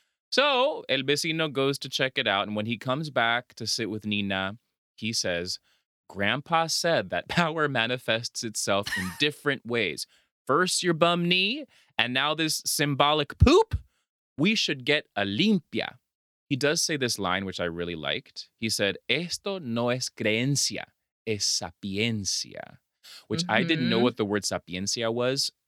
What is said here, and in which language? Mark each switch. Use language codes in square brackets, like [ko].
[en] So El Vecino goes to check it out. And when he comes back to sit with Nina, he says, Grandpa said that power manifests itself in different ways. First, your bum knee. And now this symbolic poop, we should get a limpia. He does say this line, which I really liked. He said, [es] esto no es creencia, es sapiencia. [en] Which I didn't know what the word sapiencia was.